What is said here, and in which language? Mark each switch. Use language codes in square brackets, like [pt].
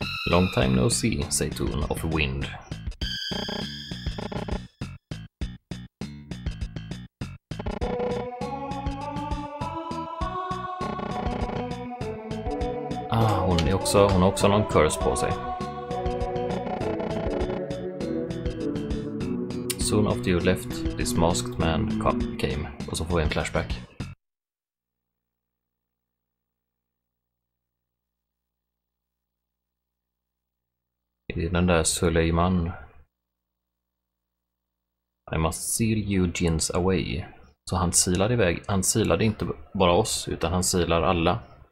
[en] Long time no see, Zaytun of Wind. [sv] Ah, hon har också någon curse på sig. [en] Soon after you left, this masked man came. [sv] Och så får vi en flashback. Den där Suleiman. [en] I must seal you jinns away. [sv] Så han silade iväg. Han silade inte bara oss, utan han silar alla.